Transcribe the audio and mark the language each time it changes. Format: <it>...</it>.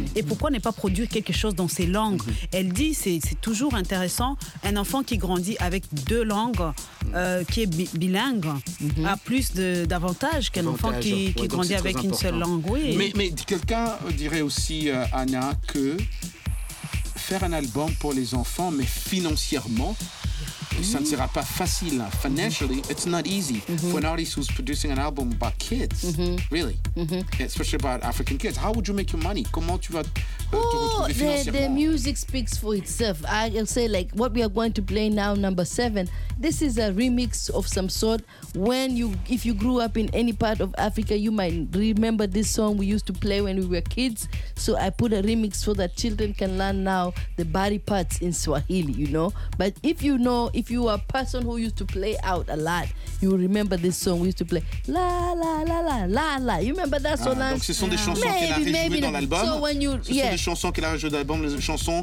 <fr>Et pourquoi ne pas produire quelque chose dans ces langues? Elle dit, c'est toujours intéressant, un enfant qui grandit avec deux langues, qui est bilingue, a plus d'avantages qu'un enfant qui grandit avec une seule langue. Oui. Mais quelqu'un dirait aussi, Anna, que faire un album pour les enfants, mais financièrement, ça ne sera pas facile.</fr> <en>Financially, it's not easy for an artist who's producing an album about kids, really. Especially about African kids. How would you make your money?</en> <fr>Comment tu vas te retrouver financièrement?</fr> <en>The music speaks for itself. I'll say, like, what we are going to play now, number 7, this is a remix of some sort. If you grew up in any part of Africa, you might remember this song we used to play when we were kids. So I put a remix so that children can learn now the body parts in Swahili, you know. But if you are a person who used to play out a lot, you remember this song we used to play. La, la, la, la, la, la. You remember that song?</en> <fr>Donc ce sont des chansons qu'elle a rejouées dans l'album. Ce sont des chansons qu'elle a rejouées dans l'album, les chansons...</fr>